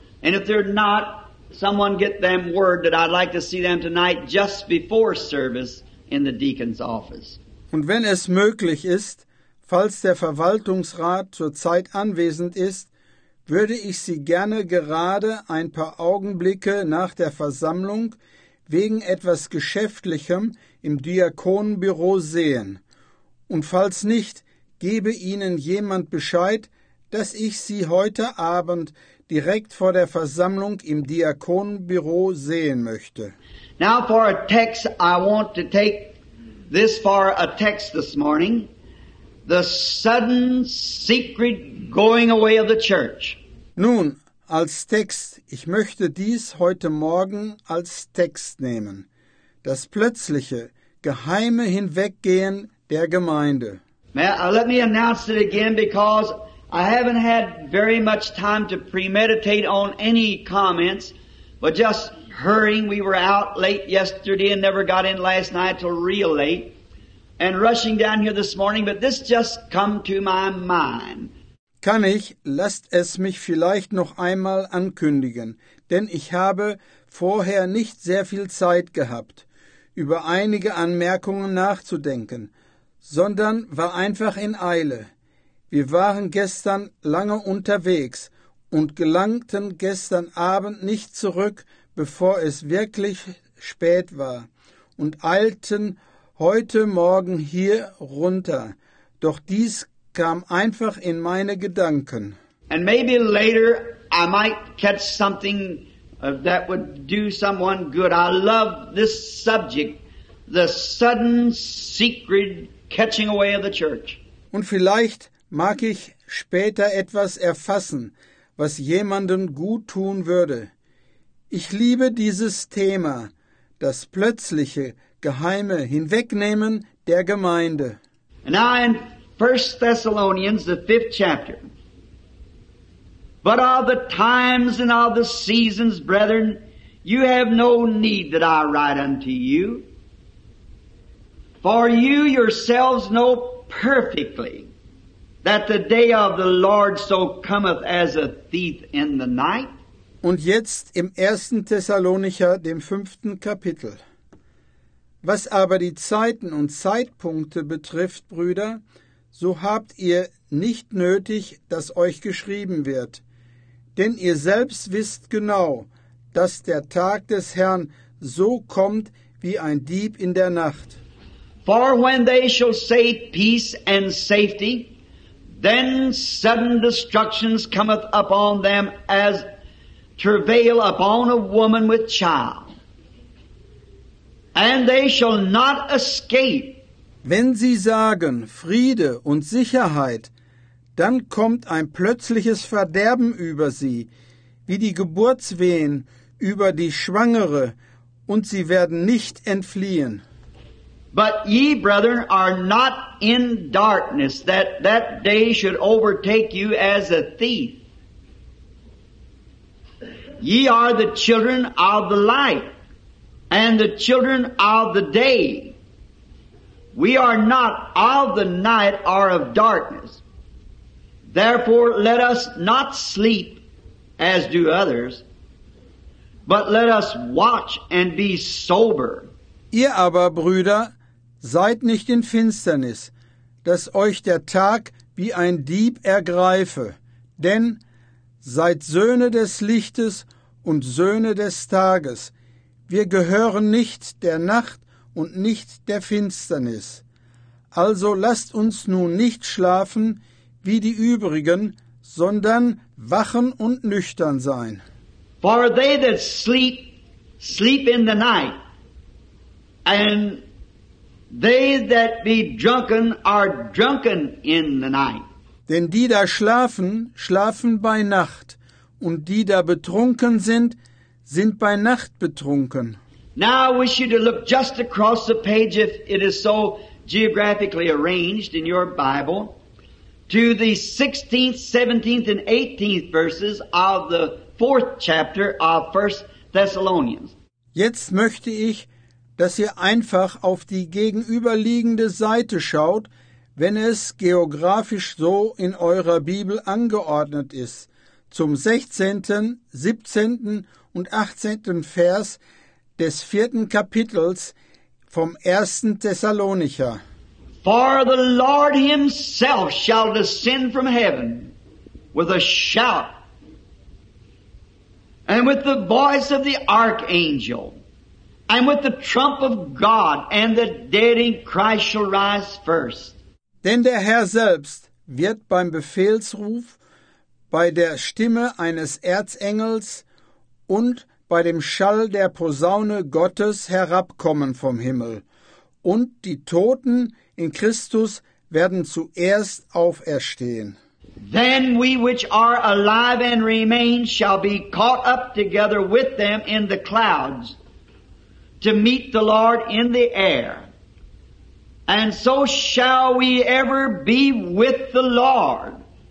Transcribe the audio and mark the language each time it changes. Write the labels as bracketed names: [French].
[English] And if they're not, someone get them word that I'd like to see them tonight just before service in the deacon's office. [German] Und wenn es möglich ist, falls der Verwaltungsrat zurzeit anwesend ist, würde ich sie gerne gerade ein paar Augenblicke nach der Versammlung wegen etwas Geschäftlichem im Diakonenbüro sehen. Und falls nicht, gebe ihnen jemand Bescheid, dass ich sie heute Abend direkt vor der Versammlung im Diakonenbüro sehen möchte. [English] Now for a text, I want to take this for a text this morning. The sudden secret going away of the church. [German] Nun, als Text, ich möchte dies heute Morgen als Text nehmen. Das plötzliche, geheime Hinweggehen der Gemeinde. [English] Let me announce it again because I haven't had very much time to premeditate on any comments, but just hurrying, we were out late yesterday and never got in last night till real late. And rushing down here this morning, but this just come to my mind. [German] Kann ich, lasst es mich vielleicht noch einmal ankündigen, denn ich habe vorher nicht sehr viel Zeit gehabt, über einige Anmerkungen nachzudenken, sondern war einfach in Eile. Wir waren gestern lange unterwegs und gelangten gestern Abend nicht zurück, bevor es wirklich spät war, und eilten heute Morgen hier runter. Doch dies kam einfach in meine Gedanken. [English] And maybe later I might catch something that would do someone good. I love this subject, the sudden secret catching away of the church. [German] Und vielleicht mag ich später etwas erfassen, was jemandem gut tun würde. Ich liebe dieses Thema, das plötzliche geheime Hinwegnehmen der Gemeinde. [English] And now in 1 Thessalonians, the 5th chapter. But of the times and of the seasons, brethren, you have no need that I write unto you. For you yourselves know perfectly that the day of the Lord so cometh as a thief in the night. [German] Und jetzt im 1. Thessalonicher, dem 5. Kapitel. Was aber die Zeiten und Zeitpunkte betrifft, Brüder, so habt ihr nicht nötig, dass euch geschrieben wird. Denn ihr selbst wisst genau, dass der Tag des Herrn so kommt wie ein Dieb in der Nacht. [English] For when they shall say peace and safety, then sudden destruction cometh upon them as travail upon a woman with child. And they shall not escape. [German] Wenn sie sagen, Friede und Sicherheit, dann kommt ein plötzliches Verderben über sie, wie die Geburtswehen über die Schwangere, und sie werden nicht entfliehen. [English] But ye, brethren, are not in darkness, that that day should overtake you as a thief. Ye are the children of the light. And the children of the day, we are not of the night or of darkness. Therefore, let us not sleep as do others, but let us watch and be sober. [German] Ihr aber, Brüder, seid nicht in Finsternis, dass euch der Tag wie ein Dieb ergreife, denn seid Söhne des Lichtes und Söhne des Tages. Wir gehören nicht der Nacht und nicht der Finsternis. Also lasst uns nun nicht schlafen wie die übrigen, sondern wachen und nüchtern sein. [English] For they that sleep in the night, and they that be drunken are drunken in the night. [German] Denn die da schlafen, schlafen bei Nacht, und die da betrunken sind, sind bei Nacht betrunken. [English] Now I wish you to look just across the page, if it is so geographically arranged in your Bible, to the 16th, 17th, and 18th verses of the 4th chapter of 1 Thessalonians. [German] Jetzt möchte ich, dass ihr einfach auf die gegenüberliegende Seite schaut, wenn es geografisch so in eurer Bibel angeordnet ist, zum 16., 17. und 18. Vers des 4. Kapitels vom 1. Thessalonicher. [English] For the Lord himself shall descend from heaven with a shout and with the voice of the archangel and with the trump of God, and the dead in Christ shall rise first. [German] Denn der Herr selbst wird beim Befehlsruf, bei der Stimme eines Erzengels und bei dem Schall der Posaune Gottes herabkommen vom Himmel. Und die Toten in Christus werden zuerst auferstehen. [English] Then we which are alive and remain shall be caught up together with them in the clouds to meet the Lord in the air. And so shall we ever be with the Lord.